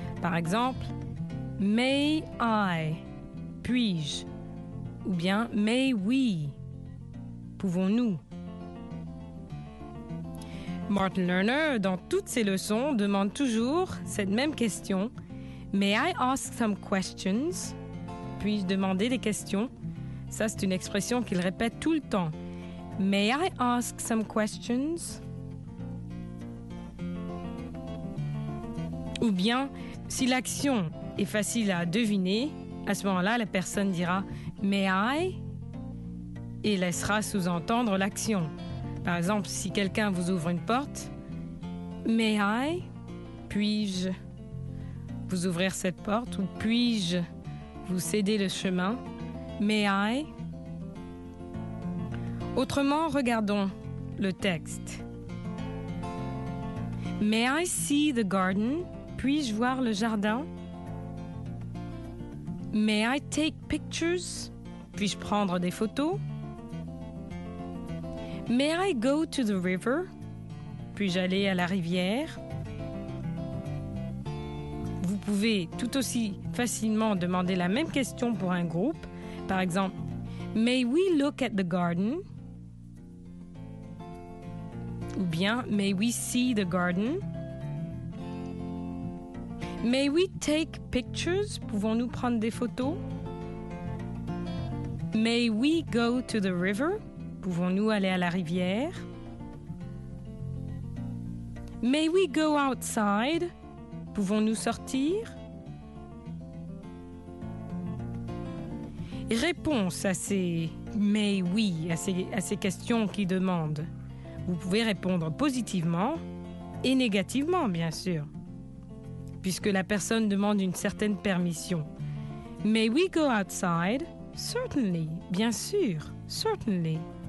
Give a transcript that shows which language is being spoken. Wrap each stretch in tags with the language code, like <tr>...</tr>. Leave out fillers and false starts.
<fr>Par exemple,</fr> <en>may I,</en> <fr>puis-je? Ou bien,</fr> <en>may we,</en> <fr>pouvons-nous? Martin Lerner, dans toutes ses leçons, demande toujours cette même question.</fr> <en>May I ask some questions?</en> <fr>Puis-je demander des questions? Ça, c'est une expression qu'il répète tout le temps.</fr> <en>May I ask some questions?</en> <fr>Ou bien, si l'action est facile à deviner, à ce moment-là, la personne dira</fr> <en>May I?</en> <fr>Et laissera sous-entendre l'action. Par exemple, si quelqu'un vous ouvre une porte,</fr> <en>May I?</en> <fr>Puis-je vous ouvrir cette porte? Ou puis-je vous céder le chemin?</fr> <en>May I?</en> <fr>Autrement, regardons le texte.</fr> <en>May I see the garden?</en> <fr>Puis-je voir le jardin?</fr> <en>May I take pictures?</en> <fr>Puis-je prendre des photos?</fr> <en>May I go to the river?</en> <fr>Puis-je aller à la rivière? Vous pouvez tout aussi facilement demander la même question pour un groupe. Par exemple,</fr> <en>May we look at the garden?</en> <fr>Ou bien,</fr> <en>may we see the garden? May we take pictures?</en> <fr>Pouvons-nous prendre des photos?</fr> <en>May we go to the river?</en> <fr>Pouvons-nous aller à la rivière?</fr> <en>May we go outside?</en> <fr>Pouvons-nous sortir? Réponse à ces</fr> <en>may we,</en> <fr>à ces questions qui demandent. Vous pouvez répondre positivement et négativement, bien sûr, puisque la personne demande une certaine permission.</fr> <en>May we go outside? Certainly,</en> <fr>bien sûr,</fr> <en>certainly.</en>